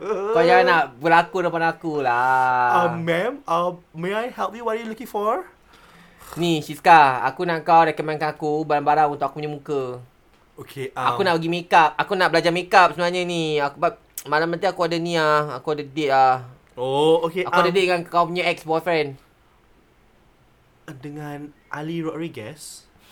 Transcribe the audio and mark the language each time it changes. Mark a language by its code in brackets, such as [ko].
[ms] Kau jangan nak berlaku depan aku lah. [en] Ma'am, may I help you? What are you looking for? [ms] Ni, Siska, aku nak kau rekomendkan aku barang-barang untuk aku punya muka. [en] Okay. [ms] Aku nak pergi make up. Aku nak belajar make up sebenarnya ni. Aku malam nanti aku ada ni ah. Aku ada date ah. [en] Oh, okay. [ms] Aku ada date dengan kau punya ex-boyfriend. Dengan Ali Rodriguez?